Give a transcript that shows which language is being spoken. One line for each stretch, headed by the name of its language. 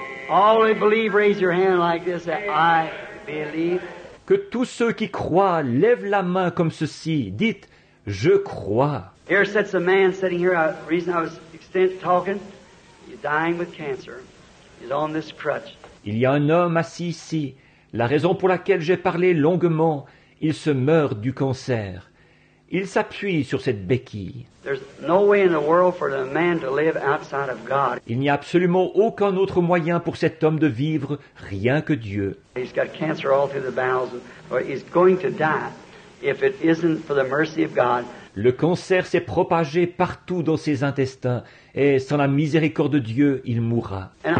English: All who believe, raise your hand like this. I believe.
French: Que tous ceux qui croient lèvent la main comme ceci. Dites, je crois.
English: Here sits a man sitting here. The reason I was extent talking. Dying with cancer, he's on this crutch.
French: Il y a un homme assis ici. La raison pour laquelle j'ai parlé longuement, il se meurt du cancer. Il s'appuie sur cette béquille.
English: There's no way in the world for a man to live outside of God.
French: Il n'y a absolument aucun autre moyen pour cet homme de vivre rien que Dieu.
English: He's got cancer all through the bowels, or he's going to die if it isn't for the mercy of God.
French: Le cancer s'est propagé partout dans ses intestins et sans la miséricorde de Dieu, il mourra.